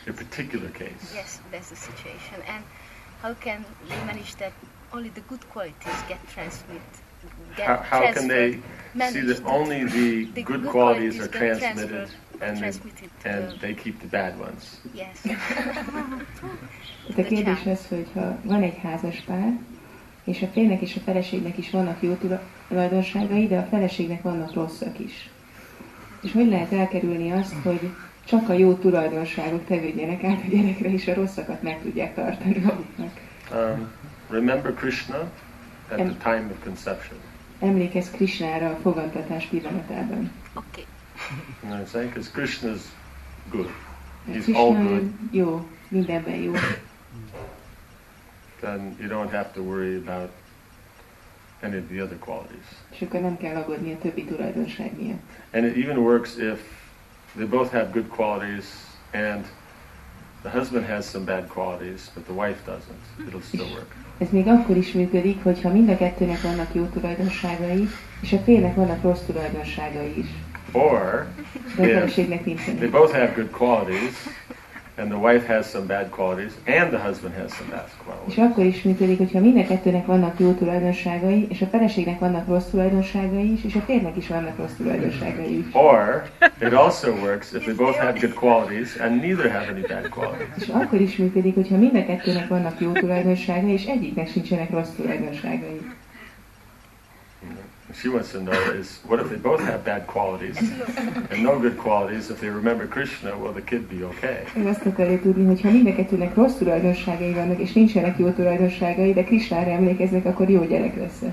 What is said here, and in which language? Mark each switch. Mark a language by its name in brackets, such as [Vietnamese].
[English] A particular case. Yes, that's the situation. And how can they manage that only the good qualities get transmitted? How can they see that only the good qualities are transmitted and they keep the bad ones? Yes. [Hungarian] The kérdés az, hogy ha van egy házas pár, és a férjnek és a feleségnek is vannak jó tulajdonságai, de a feleségnek vannak rosszak is. És hogy lehet elkerülni azt, hogy csak a jó tulajdonságok tevődjenek át a gyerekre, és a rosszakat meg tudják tartani maguknak? [English] Remember Krishna at the time of conception. [Hungarian] Emlékezz Krishnára a fogantatás pillanatában. [English] Okay. No, say, because Krishna's good. He's Krishna all good. [Hungarian] Jó, mindenben jó. [English] Then you don't have to worry about any of the other qualities. [Hungarian] És akkor nem kell aggódni a többi tulajdonság miatt. [English] And it even works if they both have good qualities and the husband has some bad qualities, but the wife doesn't. It'll still work. [Hungarian] Ez még akkor is működik, hogyha mind a kettőnek vannak jó tulajdonságai, és a félnek vannak rossz tulajdonságai is. [English] Or, they both have good qualities, and the wife has some bad qualities, and the husband has some bad qualities. [Hungarian] És akkor is működik, hogyha mind a kettőnek vannak jó tulajdonságai, és a feleségnek vannak rossz tulajdonságai is, és a férjnek is vannak rossz tulajdonságai is. [English] Or, it also works if they both have good qualities, and neither have any bad qualities. [Hungarian] És akkor is működik, hogyha mind a kettőnek vannak jó tulajdonságai, és egyiknek sincsenek rossz tulajdonságai. [English] She wants to know is, what if they both have bad qualities and no good qualities, if they remember Krishna, will the kid be okay? [Hungarian] Én azt akarja tudni, hogyha mind a kettőnek rossz tulajdonságai vannak, és nincsenek jó tulajdonságai, de Krishnára emlékeznek, akkor jó gyerek lesz.